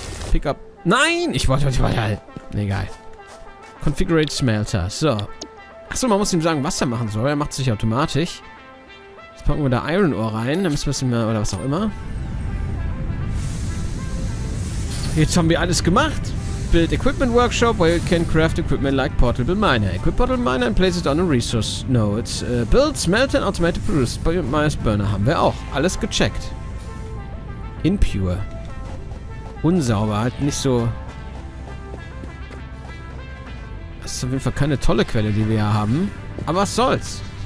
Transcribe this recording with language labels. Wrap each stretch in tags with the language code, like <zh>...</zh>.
<en>Pick up.</en> <de>Nein! Ich wollte halt. Egal. Configurate Smelter. So. Achso, man muss ihm sagen, was er machen soll. Er macht sich automatisch. Jetzt packen wir da Iron Ore rein, dann müssen wir, oder was auch immer. Jetzt haben wir alles gemacht.</de> <en>Build Equipment Workshop, where you can craft equipment like Portable Miner. Equip Portable Miner and place it on a resource node. Build, smelt and automated produce.</en> <de>Biomass Burner haben wir auch. Alles gecheckt. Impure. Unsauber, halt nicht so... Das ist auf jeden Fall keine tolle Quelle, die wir ja haben. Aber was soll's.</de>